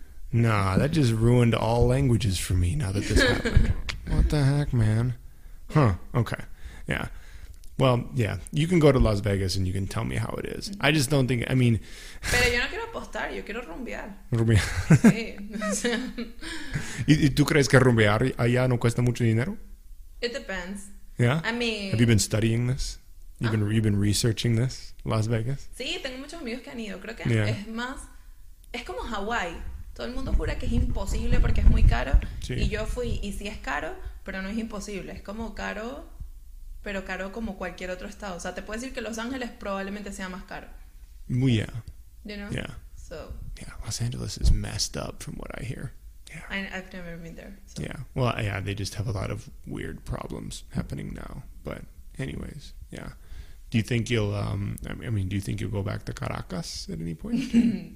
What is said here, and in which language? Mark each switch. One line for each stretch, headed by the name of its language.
English: Nah, that just ruined all languages for me now that this happened. What the heck, man? Huh, okay. Yeah. Well, yeah, you can go to Las Vegas and you can tell me how it is. Mm-hmm. I just don't think, I mean...
Spanish: Pero yo no quiero apostar, yo quiero rumbear. Rumbear. Sí. ¿Y tú crees que rumbear allá no cuesta mucho dinero?
English: It depends. Yeah? I mean... Have you been studying this? You've been researching this, Las Vegas?
Spanish: Sí, tengo muchos amigos que han ido. Creo que yeah. es más... Es como Hawaii. Todo el mundo jura que es imposible porque es muy caro. Sí. Y yo fui, y sí es caro, pero no es imposible. Es como caro... Pero caro como cualquier otro estado. O sea, te puedo decir que Los Ángeles probablemente sea más caro. Muy yeah.
English: You know? Yeah. So. Yeah, Los Angeles is messed up from what I hear. Yeah. I've never been there. So. Yeah. Well, yeah, they just have a lot of weird problems happening now. But anyways, yeah. Do you think you'll, do you think you'll go back to Caracas at any point?